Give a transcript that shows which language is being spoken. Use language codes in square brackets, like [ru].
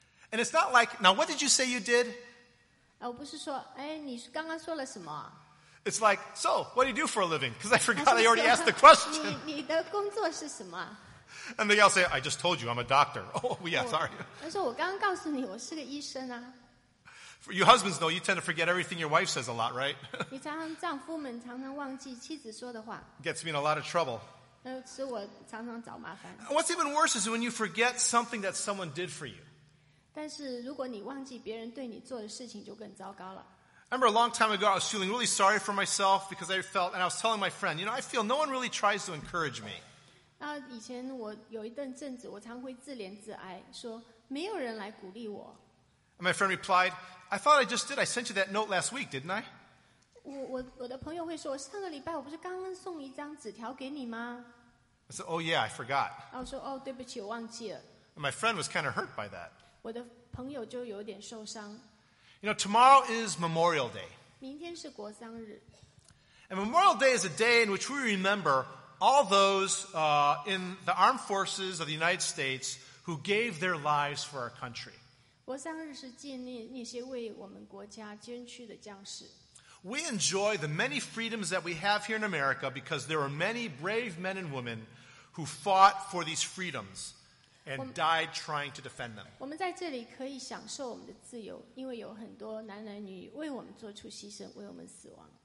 [en] And it's not like, now what did you say you did? [zh] 我不是说，哎，你刚刚说了什么？ [en] It's like, so, what do you do for a living? Because I forgot I already asked the question. [zh] 你的工作是什么? [en] And they all say, I just told you, I'm a doctor. Oh, yeah, sorry. [zh] 他说，我刚刚告诉你，我是个医生啊。 [en] Your husbands know you tend to forget everything your wife says a lot, right? [zh] 你常常丈夫们常常忘记妻子说的话。 [en] Gets me in a lot of trouble. [zh] 使我常常找麻烦。What's [en] even worse is when you forget something that someone did for you. [zh] 但是如果你忘记别人对你做的事情就更糟糕了。 [en] I remember a long time ago I was feeling really sorry for myself because I felt, and I was telling my friend, you know, I feel no one really tries to encourage me. [zh] 以前我有一段阵子我常会自怜自哀，说没有人来鼓励我。 [en] And my friend replied, I thought I just did. I sent you that note last week, didn't I? [zh] 我的朋友会说，上个礼拜我不是刚刚送一张纸条给你吗？ [en] I said, oh yeah, I forgot. [zh] 我说, oh, 对不起, 我忘记了。 [en] And my friend was kind of hurt by that. [zh] 我的朋友就有点受伤。 [en] You know, tomorrow is Memorial Day. [zh] 明天是国丧日。 [en] And Memorial Day is a day in which we remember all those in the armed forces of the United States who gave their lives for our country. [zh] 国丧日是纪念那些为我们国家捐躯的将士。 [en] We enjoy the many freedoms that we have here in America because there are many brave men and women who fought for these freedoms and died trying to defend them. [zh] 我们在这里可以享受我们的自由，因为有很多男男女为我们做出牺牲，为我们死亡。